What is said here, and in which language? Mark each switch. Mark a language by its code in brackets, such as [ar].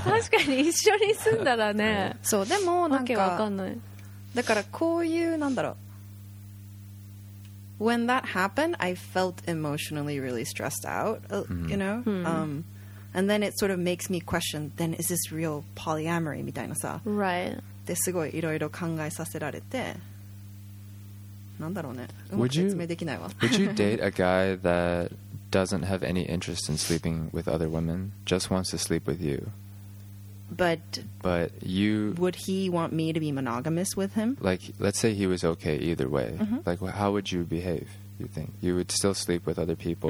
[ja] 確かに、一緒に住んだらね。そう、でもなんか、わかんない。だからこういう、なんだろう。 [en] When that happened, I felt emotionally really stressed out, And then it sort of makes me question, then is this real polyamory [ja] みたいなさ。 [en] Right. [ja] すごいいろいろ考えさせられて、なんだろうね、うまく説明できないわ。 [en] Would you date a guy that doesn't have any interest in sleeping with other women, just wants to sleep with you? But you would he want me to be monogamous with him? Like, let's say he was okay either way. Mm-hmm. Like, how would you behave? You think you would still sleep with other people、